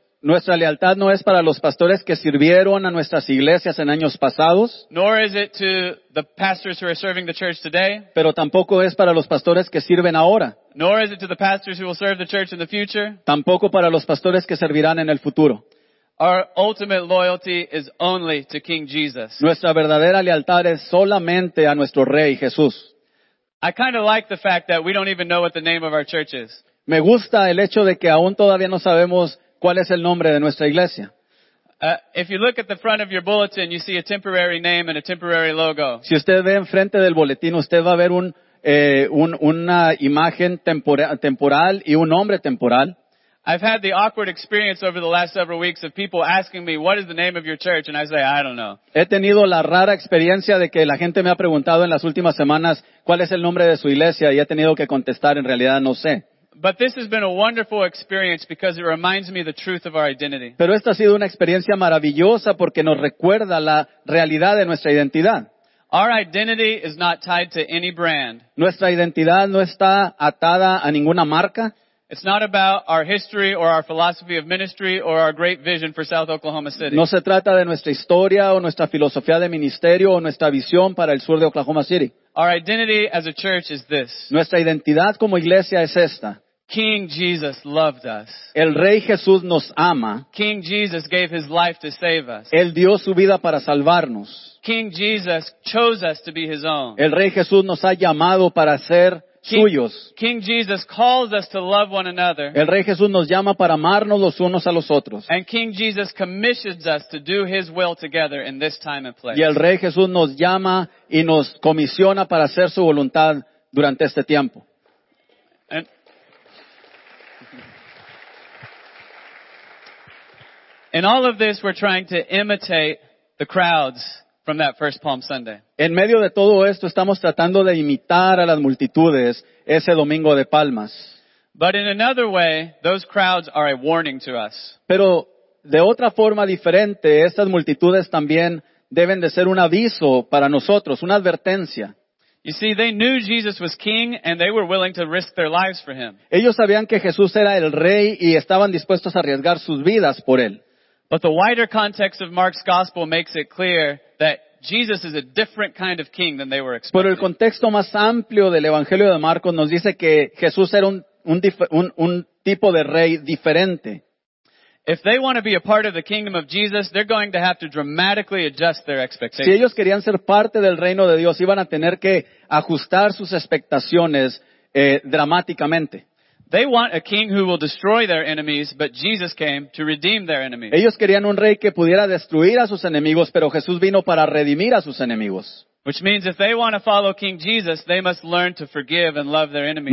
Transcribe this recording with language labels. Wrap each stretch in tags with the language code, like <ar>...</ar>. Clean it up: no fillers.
<es>Nuestra lealtad no es para los pastores que sirvieron a nuestras iglesias en años pasados.</es> <en>Nor is it to the pastors who are serving the church today.</en> <es>Pero tampoco es para los pastores que sirven ahora.</es> <en>Nor is it to the pastors who will serve the church in the future.</en> <es>Tampoco para los pastores que servirán en el futuro.</es> <en>Our ultimate loyalty is only to King Jesus.</en> <es>Nuestra verdadera lealtad es solamente a nuestro Rey Jesús.</es> <en>I kind of like the fact that we don't even know what the name of our church is.</en> <es>Me gusta el hecho de que aún todavía no sabemos ¿cuál es el nombre de nuestra iglesia?</es> <en>If you look at the front of your bulletin, you see a temporary name and a temporary logo.</en> <es>Si usted ve enfrente del boletín, usted va a ver una imagen temporal y un nombre temporal.</es> <en>I've had the awkward experience over the last several weeks of people asking me, what is the name of your church? And I say, I don't know.</en> <es>He tenido la rara experiencia de que la gente me ha preguntado en las últimas semanas, ¿cuál es el nombre de su iglesia? Y he tenido que contestar, en realidad no sé.</es> <en>But this has been a wonderful experience because it reminds me the truth of our identity.</en> <es>Pero esta ha sido una experiencia maravillosa porque nos recuerda la realidad de nuestra identidad.</es> <en>Our identity is not tied to any brand.</en> <es>Nuestra identidad no está atada a ninguna marca.</es> <en>It's not about our history or our philosophy of ministry or our great vision for South Oklahoma City.</en> <es>No se trata de nuestra historia o nuestra filosofía de ministerio o nuestra visión para el sur de Oklahoma City.</es> <en>Our identity as a church is this.</en> <es>Nuestra identidad como iglesia es esta.</es> <en>King Jesus loved us.</en> <es>El Rey Jesús nos ama.</es> <en>King Jesus gave his life to save us.</en> <es>Él dio su vida para salvarnos.</es> <en>King Jesus chose us to be his own.</en> <es>El Rey Jesús nos ha llamado para ser suyos.</es> <en>King Jesus calls us to love one another.</en> <es>El Rey Jesús nos llama para amarnos los unos a los otros.</es> <en>And King Jesus commissions us to do his will together in this time and place.</en> <es>Y el Rey Jesús nos llama y nos comisiona para hacer su voluntad durante este tiempo.</es> <en>In all of this, we're trying to imitate the crowds from that first Palm Sunday.</en> <es>En medio de todo esto, estamos tratando de imitar a las multitudes ese Domingo de Palmas.</es> <en>But in another way, those crowds are a warning to us.</en> <es>Pero de otra forma diferente, estas multitudes también deben de ser un aviso para nosotros, una advertencia.</es> <en>You see, they knew Jesus was king and they were willing to risk their lives for him.</en> <es>Ellos sabían que Jesús era el rey y estaban dispuestos a arriesgar sus vidas por él.</es> <en>But the wider context of Mark's gospel makes it clear that Jesus is a different kind of king than they were expecting.</en> <es>Pero el contexto más amplio del Evangelio de Marcos nos dice que Jesús era un tipo de rey diferente.</es> <en>If they want to be a part of the kingdom of Jesus, they're going to have to dramatically adjust their expectations.</en> <es>Si ellos querían ser parte del reino de Dios, iban a tener que ajustar sus expectaciones dramáticamente.</es> <en>They want a king who will destroy their enemies, but Jesus came to redeem their enemies.</en> <es>Ellos querían un rey que pudiera destruir a sus enemigos, pero Jesús vino para redimir a sus enemigos.</es> <en>Which means if they want to follow King Jesus, they must learn to forgive and love their enemies.</en>